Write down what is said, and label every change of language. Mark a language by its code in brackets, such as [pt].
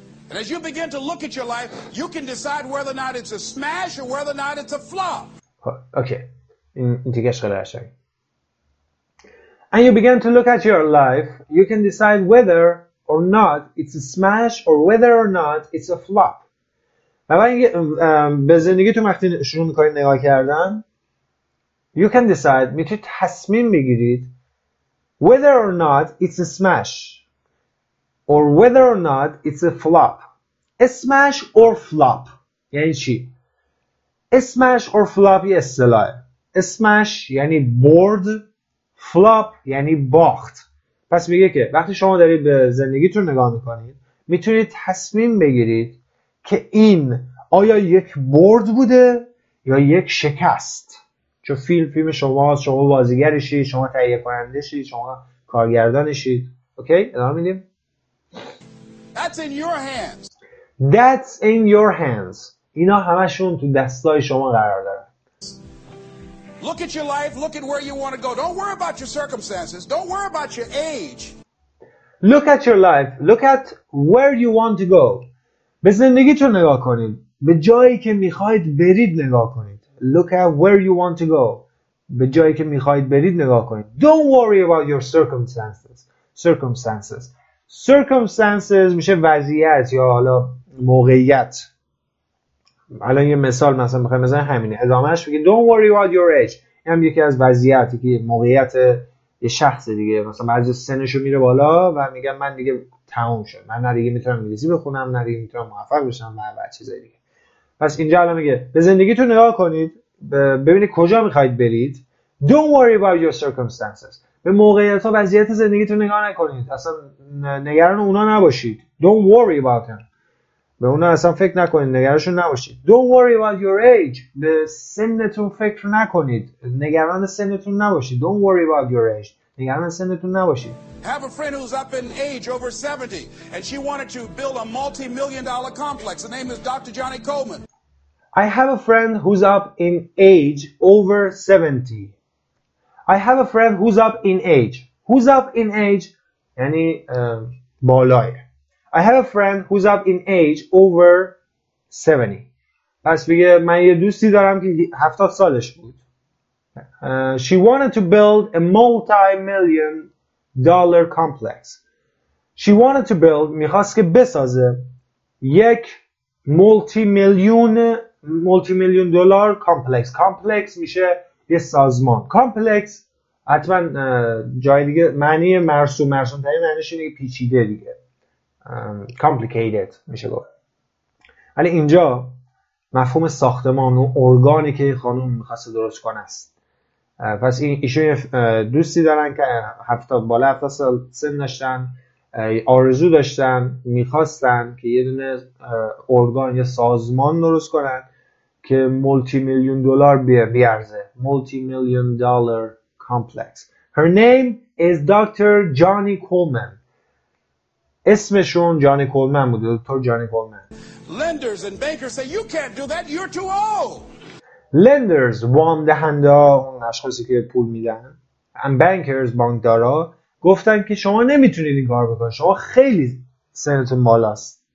[en] And as you begin to look at your life, you can decide whether or not it's a smash or whether or not it's a flop. [fa] Okay. این دیگه خیلی قشنگه. [en] And you begin to look at your life, you can decide whether or not it's a smash or whether or not it's a flop. [fa] وقتی به زندگیتون وقتی شروع می‌کنید نگاه کردن، [en] you can decide، [fa] میتونید تصمیم بگیرید [en] whether or not it's a smash. Or whether or not it's a flop. A smash or flop. [fa] یعنی چی؟ [en] A smash or flop [fa] یه اصطلاحه. A smash یعنی برد. Flop یعنی باخت. پس میگه که وقتی شما دارید به زندگیتون نگاه میکنید، میتونید تصمیم بگیرید که این آیا یک برد بوده یا یک شکست. چون فیلم شما هست. شما بازیگرشید. شما تهیه کننده شید. شما کارگردانشید. اوکی؟ ادامه میدیم. [en] That's in your hands. That's in your hands. [fa] اینا همشون تو دستای شما قرار دارن. [en] Look at your life, look at where you want to go. Don't worry about your circumstances, don't worry about your age. Look at your life, look at where you want to go. [fa] به زندگیتون نگاه کنید. به جایی که میخواید برید نگاه کنید. [en] Look at where you want to go. [fa] به جایی که میخواید برید نگاه کنید. [en] Don't worry about your circumstances. [fa] Circumstances میشه وضعیت یا حالا موقعیت. الان یه مثال مثلا میخوایم بزنیم همینه. ادامهش بگید [en] Don't worry about your age. [fa] این هم یکی از وضعیتی که موقعیت یه شخص دیگه، مثلا بعضی سنشو میره بالا و میگم من دیگه تموم شد، من نه دیگه میتونم انگلیسی بخونم، نه دیگه میتونم موفق بشم و بعد چیزای دیگه. پس اینجا الان میگه به زندگیتون نگاه کنید، ببینید کجا میخواید برید. [en] Don't worry about your circumstances. [fa] به موقعیت‌ها، وضعیت زندگیتون نگاه نکنید. اصلا نگران اونا نباشید. [en] Don't worry about them. [fa] به اونا اصلا فکر نکنید. نگرانشون نباشید. [en] Don't worry about your age. [fa] به سنتون فکر نکنید. نگران سنتون نباشید. [en] Don't worry about your age. [fa] نگران سنتون نباشید. [en] Have a friend who's up in age over 70 and she wanted to build a multi-million dollar complex. The name is Dr. Johnny Coleman. I have a friend who's up in age over 70. I have a friend who's up in age. Who's up in age? [fa] یعنی بالای. [en] I have a friend who's up in age over 70. [fa] پس بگه من یه دوستی دارم که 70 سالش بود. [en] She wanted to build a multi-million dollar complex. She wanted to build, [fa] میخواست که بسازه یک [en] multi-million dollar complex. [fa] Complex میشه یه سازمان. Complex حتما جای دیگه معنی مرسوم تری معنیش اینه که پیچیده دیگه، complicated میشه گفت. ولی اینجا مفهوم ساختمان و ارگانی که خانم میخواست درست کنه است. پس ایشون دوستی دارن که 70 بالا 70 سال سن داشتن آرزو داشتن، میخواستن که یه دونه ارگان، یه سازمان درست کنن که مولتی میلیون دلار بیارزه. مولتی میلیون دلار کامپلکس. [en] Her name is Dr. Johnny Coleman. [fa] اسمشون جانی کولمن بوده، دکتر جانی کولمن. [en] Lenders and bankers say you can't do that, you're too old. [fa] Lenders، وام دهنده ها، اون اشخاصی که پول میدن، and bankers، بانکدارا، گفتن که شما نمیتونید این کار بکنید، شما خیلی سنتون بالاست.